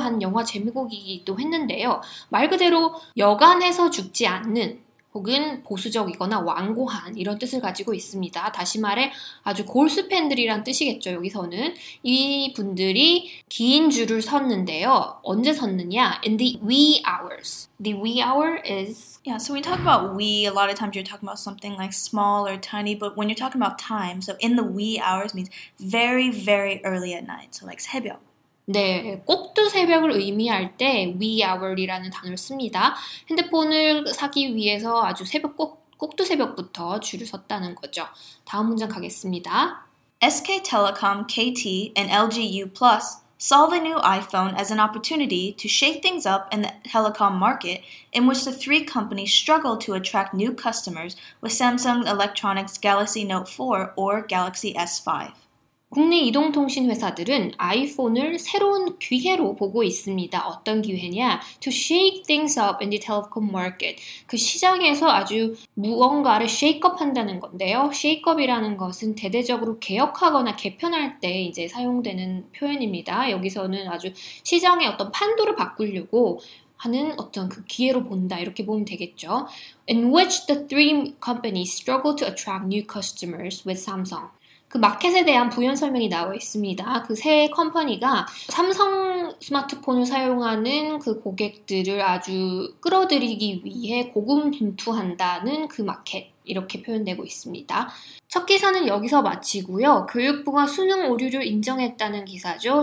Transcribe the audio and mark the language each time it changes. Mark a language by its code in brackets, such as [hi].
[ko] 한 영화 재미곡이기도 했는데요. 말 그대로 여간해서 죽지 않는 혹은 보수적이거나 완고한 이런 뜻을 가지고 있습니다. 다시 말해 아주 골수 팬들이란 뜻이겠죠. 여기서는 이 분들이 긴 줄을 섰는데요. 언제 섰느냐? [en] In the wee hours. The wee hour is... Yeah, so when you talk about wee, a lot of times you're talking about something like small or tiny, but when you're talking about time, so in the wee hours means very, very early at night. So like 새벽. [ko] 네, 꼭두 새벽을 의미할 때 wee hour이라는 단어를 씁니다. 핸드폰을 사기 위해서 아주 새벽 꼭두 새벽부터 줄을 섰다는 거죠. 다음 문장 가겠습니다. [en] SK Telecom, KT, and LG U+ saw the new iPhone as an opportunity to shake things up in the telecom market in which the three companies struggled to attract new customers with Samsung Electronics Galaxy Note 4 or Galaxy S5. [ko] 국내 이동통신 회사들은 아이폰을 새로운 기회로 보고 있습니다. 어떤 기회냐? [en] To shake things up in the telecom market. [ko] 그 시장에서 아주 무언가를 shake up 한다는 건데요. shake up이라는 것은 대대적으로 개혁하거나 개편할 때 이제 사용되는 표현입니다. 여기서는 아주 시장의 어떤 판도를 바꾸려고 하는 어떤 그 기회로 본다 이렇게 보면 되겠죠. [en] In which the three companies struggle to attract new customers with Samsung. [ko] 그 마켓에 대한 부연 설명이 나와 있습니다. 그 세 컴퍼니가 삼성 스마트폰을 사용하는 그 고객들을 아주 끌어들이기 위해 고군분투한다는 그 마켓 이렇게 표현되고 있습니다. 첫 기사는 여기서 마치고요. 교육부가 수능 오류를 인정했다는 기사죠.